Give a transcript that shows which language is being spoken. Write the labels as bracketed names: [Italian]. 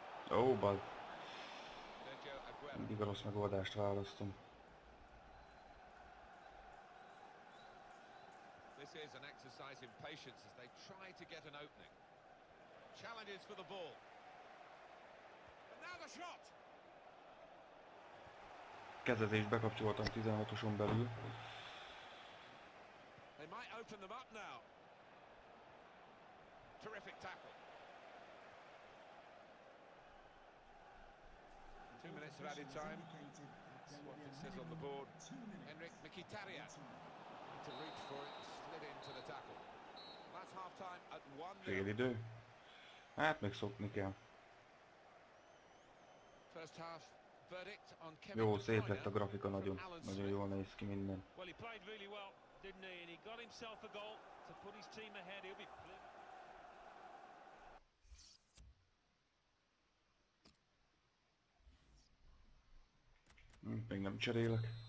[Hungarian] Ó, bal. Mindig a rossz megoldást választom. [English] This is an exercise in patience as they try to get an opening. challenges for the ball. And now the shot. [Hungarian] Kezezést bekapcsoltam 16-oson belül. [English] They might open them up now. Terrific tackle. 2 minutes of added time. That's what it says on the board. Henrik Mkhitaryan to reach for it, slid into the tackle. That's half time at 1-0. [Hungarian] Fél idő. Hát még szokni kell. [English] First half. Verdict on Kevin. [Hungarian] Jó, szép lett a grafika, nagyon, nagyon jól néz ki minden. [English] Well, he played really well, didn't he? And he got himself a goal to put his team ahead. He'll be. [Hungarian] Még nem cserélek.